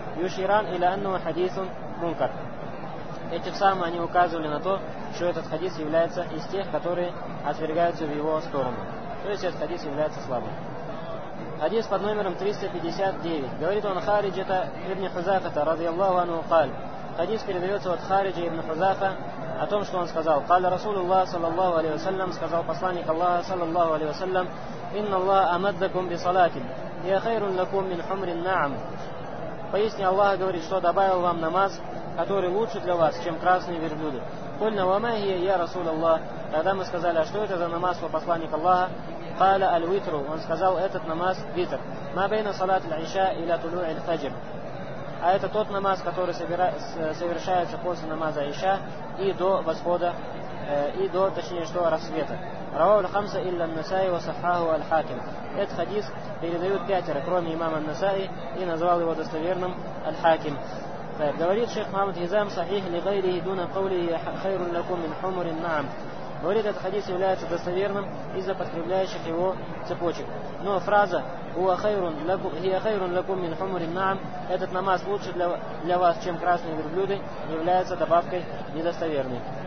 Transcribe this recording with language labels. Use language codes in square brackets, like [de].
[ar] Юширан иля анну хадисун мункар. [ru] Эти самые они указывали на то, что этот хадис является из тех, которые отвергаются в его сторону. То есть этот хадис является слабым. Хадис под номером 359. Говорит он Хариджа ибн Хузафа رضي الله عنه قال. Хадис передается от Хариджа ибн Хузафа о том, что он сказал. [ar] قال رسول الله صلى الله عليه وسلم, [ru] сказал посланник Аллаха [ar] صلى الله عليه وسلم, إن الله أمدكم بصلاة هي خير لكم من حمر النعم. [ru] Поясни, Аллах говорит, что добавил вам намаз, который лучше для вас, чем красные верблюды. [ar] قلنا وما هي يا رسول الله. [ru] Тогда мы сказали, а что это за намаз, у посланника Аллаха? [ar] قال الوتر, [ru] он сказал, этот намаз витр. [ar] ما بين صلاة العشاء إلى طلوع الفجر. [ru] А это тот намаз, который совершается после намаза Иша и до восхода, и до, точнее, что рассвета. [ar] رواه الخمسة إلا النسائي وصححه الحاكم. [ru] Этот хадис передают пятеро, кроме имама ан-Насаи, и назвал его достоверным аль-Хаким. Говорит шейх Мухаммад Хизам [ar] صحيح لغيره دون قوله خير لكم من حمر النعم. [ru] Говорит, этот хадис является достоверным из-за подкрепляющих его цепочек. Но фраза [ar] «Хия хайрун лакум мин хумурин наам» [ru] – «Этот намаз лучше для вас, чем красные верблюды» – является добавкой недостоверной.